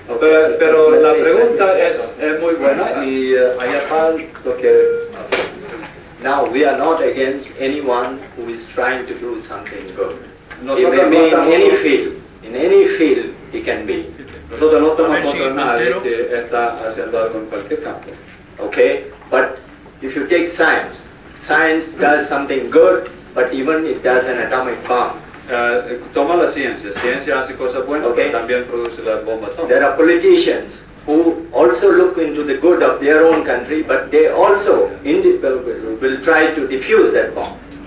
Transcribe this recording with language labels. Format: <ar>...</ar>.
<es>Pero la pregunta es muy buena y lo que...</es> <en>Now, we are not against anyone who is trying to do something good. If he may in any field, he can be.</en> <es>Nosotros no estamos contra nadie que está haciendo algo en cualquier campo.</es> <en>Okay? But if you take science does something good, but even it does an atomic bomb.</en> <es>Toma la ciencia. Ciencia hace cosas buenas, okay, pero también produce la bomba atómica.</es> <en>There are politicians who also look into the good of their own country, but they also will try to defuse that bomb.</en>